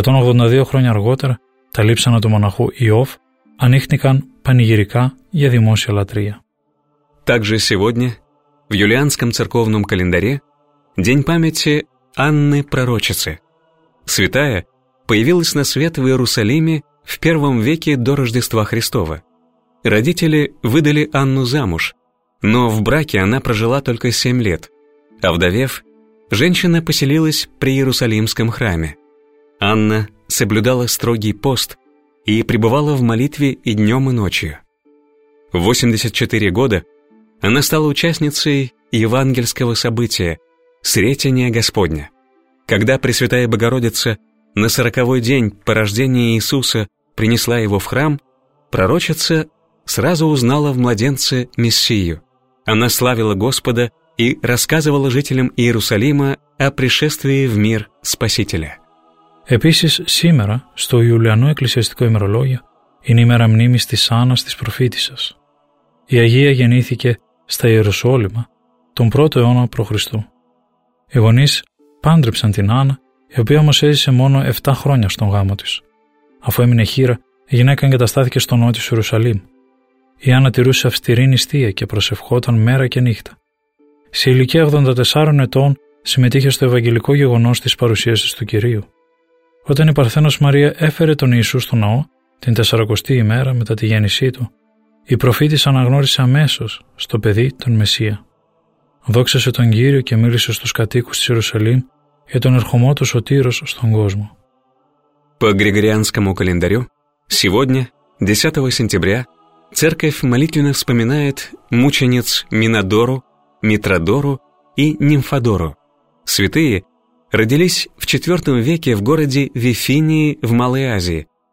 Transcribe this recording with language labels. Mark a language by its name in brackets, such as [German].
[Greek] 182 χρόνια αργότερα, τα λείψανα του μοναχού Ιώβ ανοίχτηκαν πανηγυρικά για δημόσια λατρεία. [Russian] Также сегодня, в юлианском церковном календаре, день памяти Анны Пророчицы. Святая появилась на свет в Иерусалиме в первом веке до Рождества Христова. Родители выдали Анну замуж, но в браке она прожила только 7 лет, а вдовев, женщина поселилась при Иерусалимском храме. Анна соблюдала строгий пост и пребывала в молитве и днем, и ночью. В 84 года она стала участницей евангельского события «Сретение Господня». Когда Пресвятая Богородица на 40-й день по рождению Иисуса принесла его в храм, пророчица сразу узнала в младенце Мессию. Она славила Господа и рассказывала жителям Иерусалима о пришествии в мир Спасителя. [Greek] Επίσης, σήμερα, στο Ιουλιανό Εκκλησιαστικό ημερολόγιο, είναι η μέρα μνήμης της Άννας της Προφήτισσας. Η Αγία γεννήθηκε στα Ιεροσόλυμα τον 1ο αιώνα π.Χ. Οι γονείς πάντρεψαν την Άννα, η οποία όμως έζησε μόνο 7 χρόνια στον γάμο της. Αφού έμεινε χείρα, η γυναίκα εγκαταστάθηκε στο νότιο του Ιερουσαλήμ. Η Άννα τηρούσε αυστηρή νηστεία και προσευχόταν μέρα και νύχτα. Σε ηλικία 84 ετών συμμετείχε στο ευαγγελικό γεγονός της παρουσίασης του Κυρίου. Όταν η Παρθένος Μαρία έφερε τον Ιησού στο ναό την 40η ημέρα μετά τη γέννησή του, η προφήτης αναγνώρισε αμέσως στο παιδί τον Μεσσία. Δόξασε τον Κύριο και μίλησε στους κατοίκους της Ιερουσαλήμ για τον ερχομό του Σωτήρος στον κόσμο. [Russian] По Григорианскому календарю, сегодня, 10 сентября, церковь молитвенно вспоминает мучениц Минадору, Митродору и Нимфадору. Святые родились в IV веке в городе Вифинии в Малой Азии.